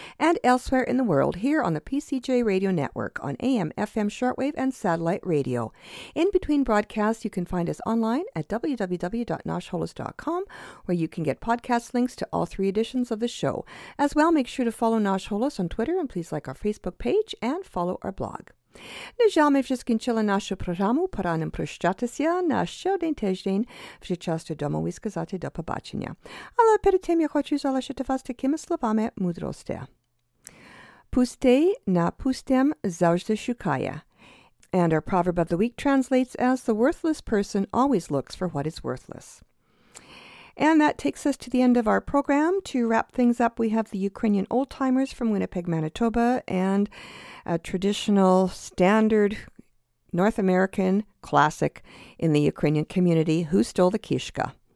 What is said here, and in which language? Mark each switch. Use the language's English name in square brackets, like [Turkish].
[English] And elsewhere in the world, here on the PCJ Radio Network on AM, FM, shortwave, and satellite radio. In between broadcasts, you can find us online at www.noshholos.com, where you can get podcast links to all three editions of the show. As well, make sure to follow Nash Holos on Twitter and please like our Facebook page and follow our blog. [Ukrainian] Нажами вже скінчили нашу програму. Пора нам прощатися на ще один тиждень. Вже час додому і сказати до побачення. Але перед тим я хочу залишити вас такими словами мудрості. Пустий на пустим завжди шукає. [English] And our proverb of the week translates as the worthless person always looks for what is worthless. And that takes us to the end of our program. To wrap things up, we have the Ukrainian old timers from Winnipeg, Manitoba, and a traditional standard North American classic in the Ukrainian community, Who Stole the Kishka?